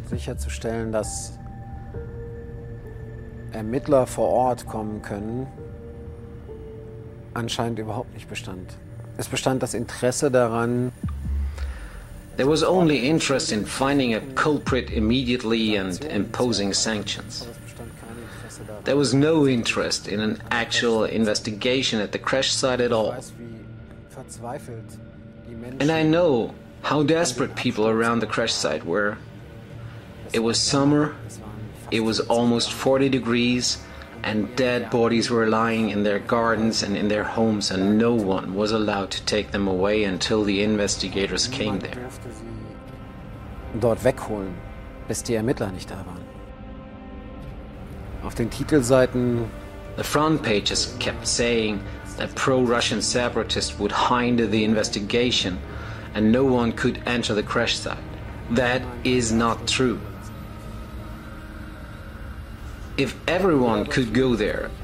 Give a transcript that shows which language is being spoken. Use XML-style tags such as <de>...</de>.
<de>Sicherzustellen, dass Ermittler vor Ort kommen können, anscheinend überhaupt nicht bestand. Es bestand das Interesse daran.</de> <en>There was only interest in finding a culprit immediately and imposing sanctions. There was no interest in an actual investigation at the crash site at all. And I know how desperate people around the crash site were. It was summer, it was almost 40 degrees, and dead bodies were lying in their gardens and in their homes, and no one was allowed to take them away until the investigators came there.</en> <de>Dort wegholen, bis die Ermittler nicht da waren. Auf den Titelseiten.</de> <en>The front pages kept saying that pro-Russian separatists would hinder the investigation and no one could enter the crash site. That is not true. If everyone could go there,</en>